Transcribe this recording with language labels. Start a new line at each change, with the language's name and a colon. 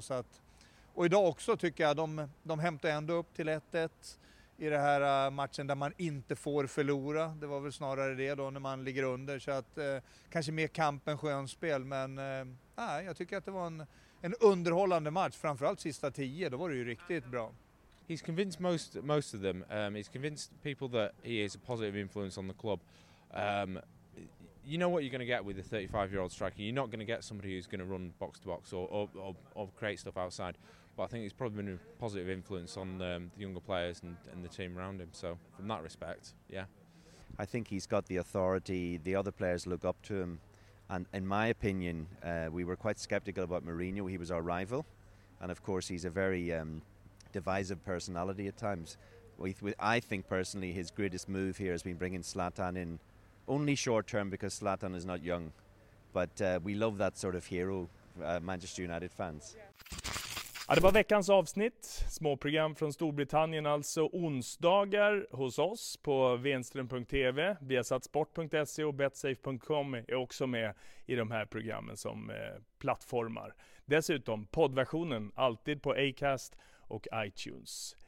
Swedish: Så att, och idag också tycker jag, de hämtar ändå upp till 1-1 i den här matchen där man inte får förlora. Det var väl snarare det då när man ligger under. Så att kanske mer kamp än skönspel. Men jag tycker att det var en underhållande match. Framförallt sista 10, då var det ju riktigt bra.
English: He's convinced most of them. He's convinced people that he is a positive influence on the club. You know what you're going to get with a 35-year-old striker. You're not going to get somebody who's going to run box to box or create stuff outside. But I think he's probably been a positive influence on the younger players and the team around him. So from that respect, yeah. I think he's got the authority. The other players look up to him. And in my opinion, we were quite sceptical about Mourinho. He was our rival. And of course, he's a very divisive personality at times. I think personally his greatest move here has been bringing Zlatan in. Only short term, because Zlatan is not young, but we love that sort of hero, Manchester United fans.
Swedish: Ja, det var veckans avsnitt, småprogram från Storbritannien, alltså onsdagar hos oss på venström.tv. Vi har satt sport.se och betsafe.com är också med i de här programmen som plattformar. Dessutom poddversionen alltid på Acast och iTunes.